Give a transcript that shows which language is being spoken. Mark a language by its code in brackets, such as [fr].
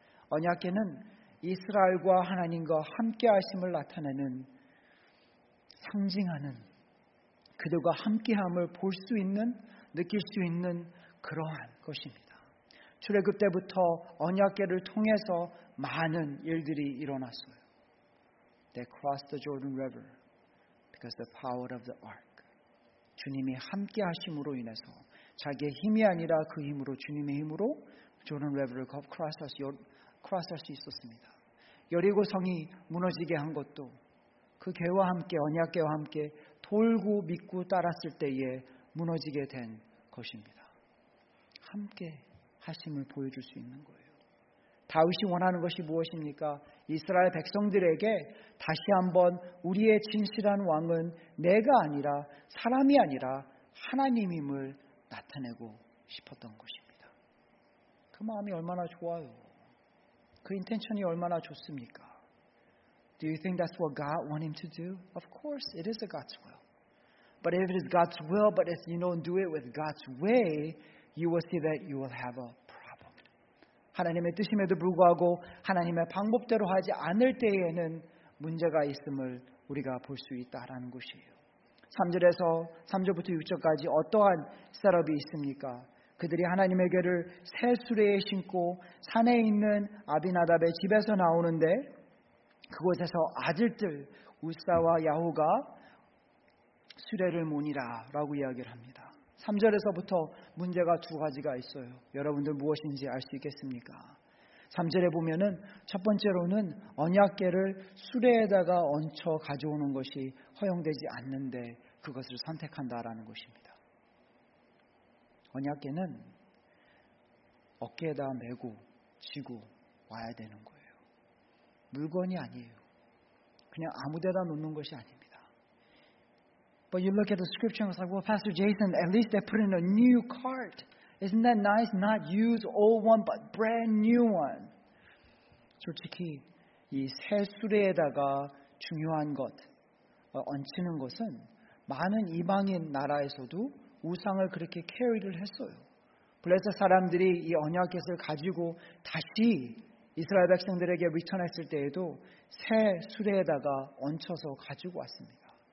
[ko] 언약궤는 이스라엘과 하나님과 함께 하심을 나타내는 상징하는 그들과 함께함을 볼 수 있는 느낄 수 있는 그러한 것입니다. 출애굽 때부터 언약궤를 통해서 많은 일들이 일어났어요. [en] They crossed the Jordan River because the power of the ark. [ko] 주님이 함께 하심으로 인해서 자기의 힘이 아니라 그 힘으로 주님의 힘으로 Jordan River를 cross할 수 있었습니다. 여리고 성이 무너지게 한 것도 그 궤와 함께 언약궤와 함께 돌고 믿고 따랐을 때에 무너지게 된 것입니다. 함께 하심을 보여줄 수 있는 거예요. 다윗이 원하는 것이 무엇입니까? 이스라엘 백성들에게 다시 한번 우리의 진실한 왕은 내가 아니라 사람이 아니라 하나님임을 나타내고 싶었던 것입니다. 그 마음이 얼마나 좋아요. 그 인텐션이 얼마나 좋습니까? [en] Do you think that's what God wants him to do? Of course, it is a God's will. But if it is God's will, but if you don't do it with God's way, you will see that you will have a problem. [ko] 하나님의 뜻임에도 불구하고 하나님의 방법대로 하지 않을 때에는 문제가 있음을 우리가 볼 수 있다라는 것이에요. 3절에서 3절부터 6절까지 어떠한 셋업이 있습니까? 그들이 하나님의 궤를 새 수레에 신고 산에 있는 아비나답의 집에서 나오는데 그곳에서 아들들 우사와 야후가 수레를 모니라 라고 이야기를 합니다. 3절에서부터 문제가 두 가지가 있어요. 여러분들 무엇인지 알 수 있겠습니까? 3절에 보면은 첫 번째로는 언약궤를 수레에다가 얹혀 가져오는 것이 허용되지 않는데 그것을 선택한다라는 것입니다. 언약궤는 어깨에다 메고 지고 와야 되는 거예요. 물건이 아니에요. 그냥 아무데나 놓는 것이 아닙니다. [en] But you look at the scripture and it's like, well, Pastor Jason, at least they put in a new cart. Isn't that nice? Not used old one, but brand new one. [ko] 솔직히 이 새 수레에다가 중요한 것, 얹히는 것은 많은 이방인 나라에서도 우상을 그렇게 캐리를 했어요. 블레셋 사람들이 이 언약궤를 가지고 다시 이스라엘 백성들에게 리턴했을 때에도 새 수레에다가 얹혀서 가지고 왔습니다.